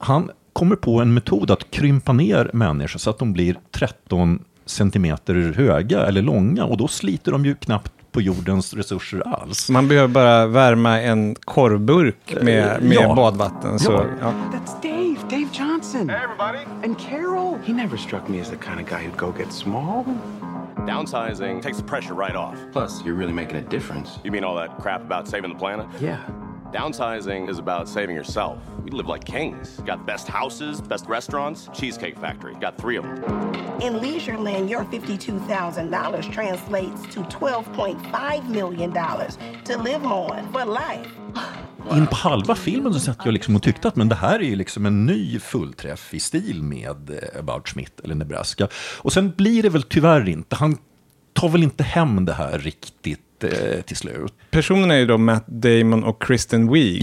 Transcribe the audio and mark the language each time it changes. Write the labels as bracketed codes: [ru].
[sv] Han kommer på en metod att krympa ner människor så att de blir 13 centimeter höga eller långa, och då sliter de ju knappt på jordens resurser alls. Man behöver bara värma en korvburk med badvatten. Så, [en] That's Dave Johnson. Hey everybody. And Carol. He never struck me as the kind of guy who'd go get small. Downsizing takes the pressure right off. Plus, you're really making a difference. You mean all that crap about saving the planet? Yeah. Downsizing is about saving yourself. We live like kings. Got the best houses, the best restaurants, Cheesecake Factory. Got 3 of them. In Leisureland, your $52,000 translates to $12.5 million to live on for life. [sv] In på halva filmen så satt jag liksom och tyckte att, men det här är ju liksom en ny fullträff i stil med About Schmidt eller Nebraska. Och sen blir det väl tyvärr inte. Han tar väl inte hem det här riktigt till slut. Personerna är ju då Matt Damon och Kristen Wiig.